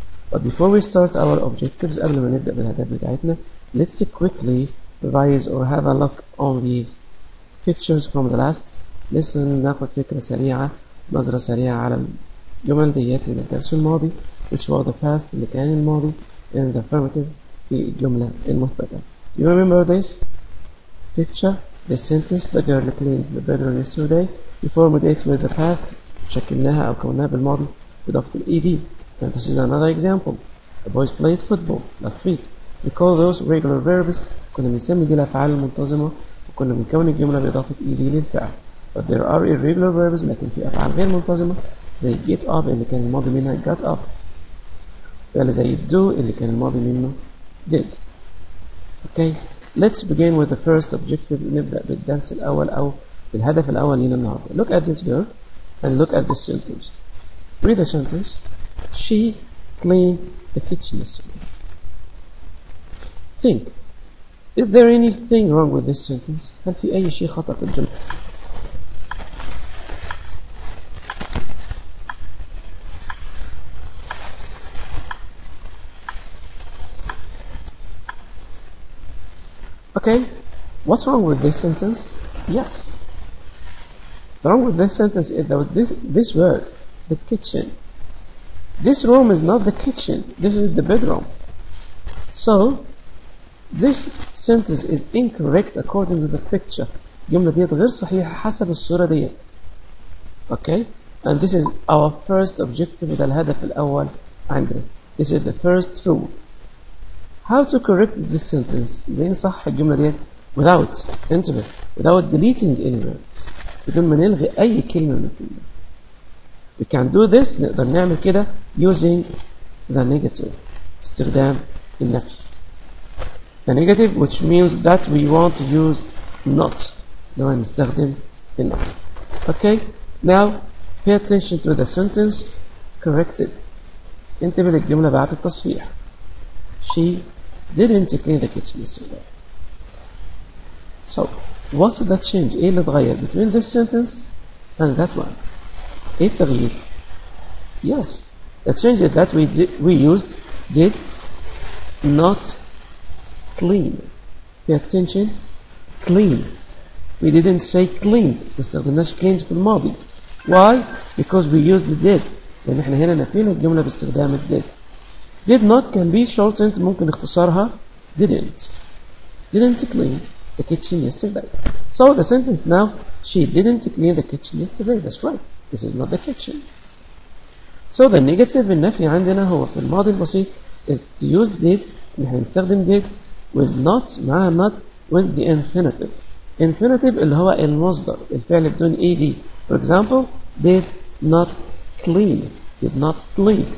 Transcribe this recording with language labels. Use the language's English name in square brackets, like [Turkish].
[English] But before we start our objectives, [Arabic] قبل ما نبدأ بالهدف بتاعتنا, [English] let's quickly revise or have a look on these pictures from the last lesson. [Arabic] ناخد فكرة سريعة, نظرة سريعة على الجمل ديت من الدرس الماضي, [English] which was the past, [Arabic] اللي كان الماضي, [English] and the affirmative [Arabic] في الجملة المثبتة. [English] You remember this picture, the sentence, the girl cleaned the bedroom yesterday. We formed it with the past, [Arabic] شكلناها أو كوناها بالماضي بضفت الـ ED. [English] And this is another example. The boys played football last week. We call those regular verbs. [Arabic] كنا بنسمي دي الأفعال المنتظمة وكنا بنكون الجملة بإضافة ED للفعل. [English] But there are irregular verbs, [Arabic] لكن في أفعال غير منتظمة زي get up اللي كان الماضي منها got up, فعل زي do اللي كان الماضي منه did. [English] Okay, let's begin with the first objective. [Arabic] نبدأ بالدرس الأول أو بالهدف الأول لنا النهاردة. [English] Look at this girl and look at the sentence. Read the sentence. She cleaned the kitchen yesterday. Think, is there anything wrong with this sentence? [Arabic] هل في أي شيء خطأ في الجملة؟ [English] Okay, what's wrong with this sentence? Yes. Wrong with this sentence is that this word, the kitchen. This room is not the kitchen, this is the bedroom. So, this sentence is incorrect according to the picture. [Arabic] الجملة ديت غير صحيحة حسب الصورة ديت. [English] Okay, and this is our first objective, [Arabic] ده الهدف الأول عندنا. [English] This is the first rule. How to correct this sentence? [Arabic] زي نصحح الجملة ديت without, انتبه, [English] without deleting any words. [Arabic] بدون ما نلغي أي كلمة من الكلمة. [English] We can do this, [Arabic] نقدر نعمل كده [English] using the negative, [Arabic] استخدام النفي. [English] The negative which means that we want to use not, [Arabic] لو نستخدم النفي. [English] Okay, now pay attention to the sentence corrected. [Arabic] انتبه للجملة بعد التصحيح. [English] She didn't clean the kitchen yesterday. So, what's the change? [Arabic] إيه اللي اتغير [English] between this sentence and that one? [Arabic] إيه التغيير؟ [English] Yes, the change is that we used did not clean. Pay attention, clean. We didn't say clean. [Arabic] ما استخدمناش clean في الماضي. [English] Why? Because we used the did. [Arabic] لأن إحنا هنا نفينا الجملة باستخدام did. [English] Did not can be shortened. [Arabic] ممكن اختصارها [English] didn't. Didn't clean the kitchen yesterday. So the sentence now, she didn't clean the kitchen yesterday. That's right. This is not the kitchen. So the negative [Arabic] النفي عندنا هو في الماضي البسيط [English] is to use did. [Arabic] نحن نستخدم [English] did with not, مع not, with the infinitive. [Arabic] Infinitive اللي هو المصدر, الفعل بدون ed. [English] For example, did not clean. Did not clean.